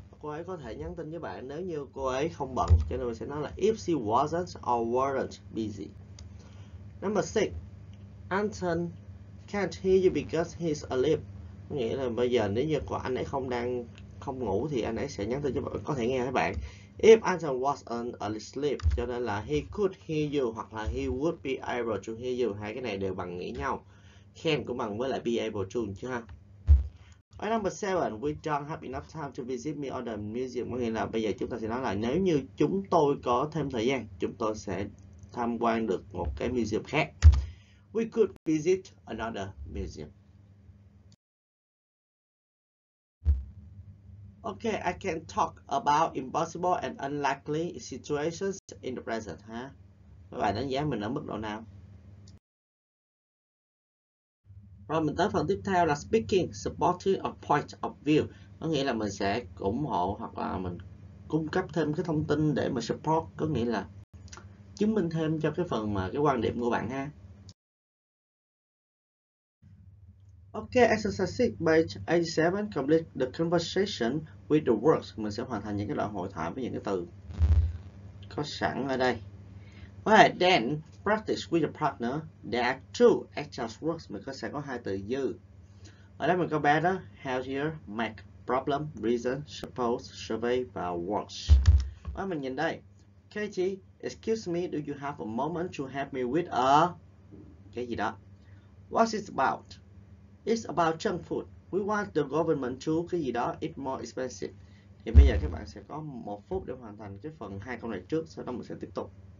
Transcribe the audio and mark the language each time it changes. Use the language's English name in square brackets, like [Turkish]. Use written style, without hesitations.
[Vietnamese] Cô ấy có thể nhắn tin với bạn nếu như cô ấy không bận. Cho nên mình sẽ nói là [English] if she wasn't or weren't busy. Number 6. Anton can't hear you because he's asleep. Nghĩa là bây giờ nếu như của anh ấy không đang không ngủ thì anh ấy sẽ nhắn tin cho bạn, có thể nghe các bạn. If Anton wasn't asleep, [Vietnamese] cho nên là [English] he could hear you [Vietnamese] hoặc là [English] he would be able to hear you. [Vietnamese] Hai cái này đều bằng nghĩ nhau. Can cũng bằng với lại [English] be able to [Vietnamese] chứ ha. Ở [English] number 7, we don't have enough time to visit me or the museum. [Vietnamese] Có nghĩa là bây giờ chúng ta sẽ nói là nếu như chúng tôi có thêm thời gian, chúng tôi sẽ tham quan được một cái museum khác. [English] we could visit another museum. Okay, I can talk about impossible and unlikely situations in the present, huh? [Vietnamese] Các bạn đánh giá mình ở mức độ nào? Rồi mình tới phần tiếp theo là [English] speaking, supporting a point of view. [Vietnamese] Có nghĩa là mình sẽ ủng hộ hoặc là mình cung cấp thêm cái thông tin để mà support, có nghĩa là chứng minh thêm cho cái phần mà cái quan điểm của bạn ha. [English] Ok, exercise 6, page 87, complete the conversation with the words. [Vietnamese] Mình sẽ hoàn thành những cái đoạn hội thoại với những cái từ có sẵn ở đây. [English] Okay, then practice with your partner. There are two exercise words. [Vietnamese] Mình sẽ có hai từ dư. Ở đây mình có better, healthier, make, problem, reason, suppose, survey và works. Okay, mình nhìn đây. [English] Katie, excuse me, do you have a moment to help me with a... [Vietnamese] cái gì đó. [English] What's it about? It's about junk food. We want the government to [Vietnamese] cái gì đó, [English] it's more expensive. [Vietnamese] Thì bây giờ các bạn sẽ có một phút để hoàn thành cái phần hai câu này trước, sau đó mình sẽ tiếp tục.